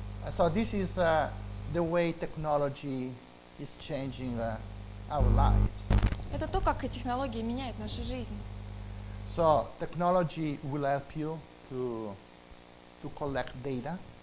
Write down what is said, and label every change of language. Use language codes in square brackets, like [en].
[en] So this is the way technology is changing our lives. [ru] Это то, как технологии меняют нашу жизнь. [en] So technology will help you to collect data.